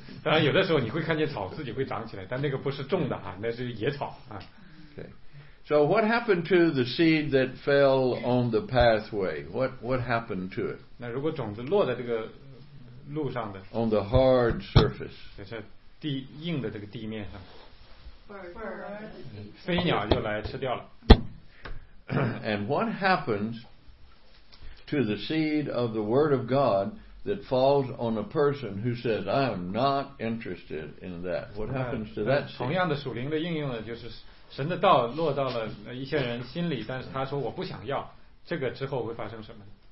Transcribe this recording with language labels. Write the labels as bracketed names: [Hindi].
[Chinese] 当然有的时候你会看见草自己会长起来，但那个不是种的哈，那是野草啊。 [English] Okay. So what happened to the seed that fell on the pathway? What happened to it? [Chinese] 那如果种子落在这个路上的。 [English] On the hard surface. [Chinese] 硬的这个地面上 [English] Bird. [Chinese] 飞鸟就来吃掉了 [English] And what happens to the seed of the word of God that falls on a person who says I am not interested in that? What happens to that seed? [Chinese] 同样的属灵的应用呢，就是神的道落到了一些人心里，但是他说我不想要，这个之后会发生什么呢？